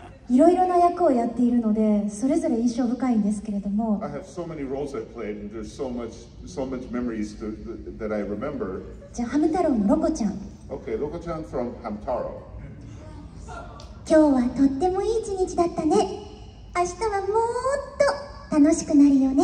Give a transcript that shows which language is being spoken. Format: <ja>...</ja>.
<ja>いろいろな役をやっているので、それぞれ印象深いんですけれども。</ja> <en>I have so many roles I've played, and there's so much memories that I remember.</en> <ja>じゃあ、ハム太郎のロコちゃん。</ja> <en>Okay, ロコちゃん from Hamtaro.</en> <ja>今日はとってもいい一日だったね。明日はもっと楽しくなるよね。</ja>